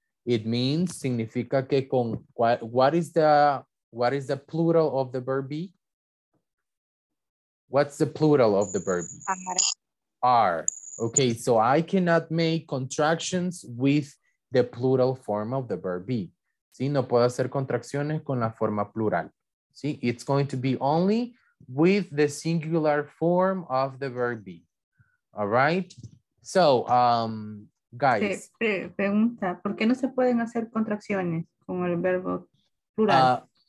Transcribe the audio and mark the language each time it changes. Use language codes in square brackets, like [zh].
[en] It means, significa que con, what is the plural of the verb be? What's the plural of the verb be? Are. Okay, so I cannot make contractions with the plural form of the verb be. [es] ¿Sí? No puedo hacer contracciones con la forma plural. ¿Sí? [en] It's going to be only with the singular form of the verb be. All right? So, guys. [es] Pregunta, ¿por qué no se pueden hacer contracciones con el verbo plural?